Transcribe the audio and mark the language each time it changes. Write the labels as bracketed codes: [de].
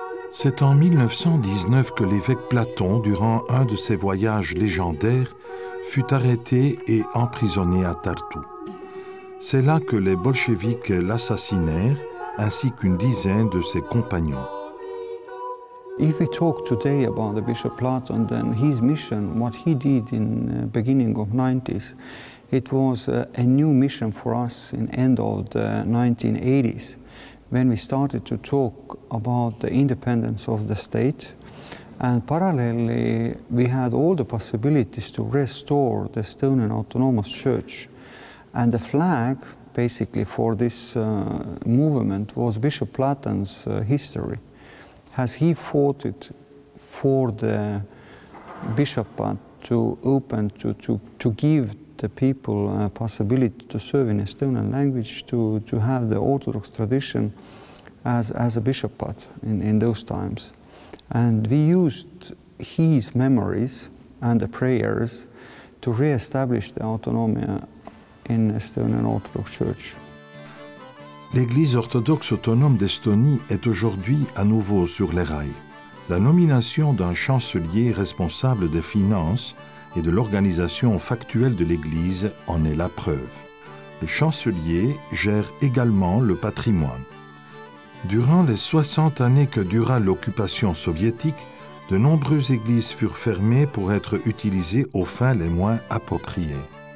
[fr] C'est en 1919 que l'évêque Platon, durant un de ses voyages légendaires, fut arrêté et emprisonné à Tartu. C'est là que les bolcheviques l'assassinèrent, ainsi qu'une dizaine de ses compagnons. [en] If we talk today about the Bishop Platon, then his mission, what he did in the beginning of 90s, it was a new mission for us in end of the 1980s, when we started to talk about the independence of the state. And parallelly, we had all the possibilities to restore the Estonian Autonomous Church. And the flag, basically, for this movement was Bishop Platon's history, as he fought it for the bishopate to open, to give the people a possibility to serve in Estonian language, to have the Orthodox tradition as a bishopate in those times. And we used his memories and the prayers to re-establish the autonomy in Estonian Orthodox Church. [fr] L'Église orthodoxe autonome d'Estonie est aujourd'hui à nouveau sur les rails. La nomination d'un chancelier responsable des finances et de l'organisation factuelle de l'Église en est la preuve. Le chancelier gère également le patrimoine. Durant les 60 années que dura l'occupation soviétique, de nombreuses églises furent fermées pour être utilisées aux fins les moins appropriées.